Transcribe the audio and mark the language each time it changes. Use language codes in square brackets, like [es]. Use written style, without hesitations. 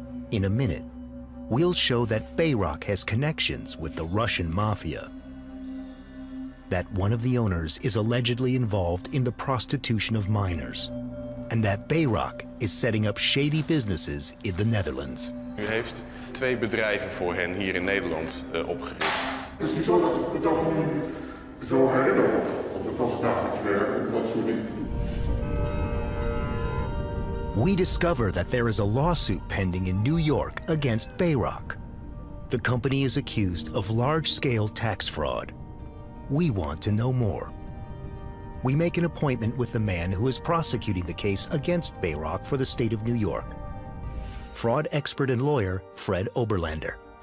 [en] In a minute, we'll show that Bayrock has connections with the Russian mafia, that one of the owners is allegedly involved in the prostitution of minors, and that Bayrock is setting up shady businesses in the Netherlands. [nl] U heeft twee bedrijven voor hen hier in Nederland opgericht. Het is niet zo dat ik me dat nu zo herinner, want het was dagelijks werk om dat soort dingen te doen. [en] We discover that there is a lawsuit pending in New York against Bayrock. The company is accused of large-scale tax fraud. We want to know more. We make an appointment with the man who is prosecuting the case against Bayrock for the state of New York, fraud expert and lawyer Fred Oberlander.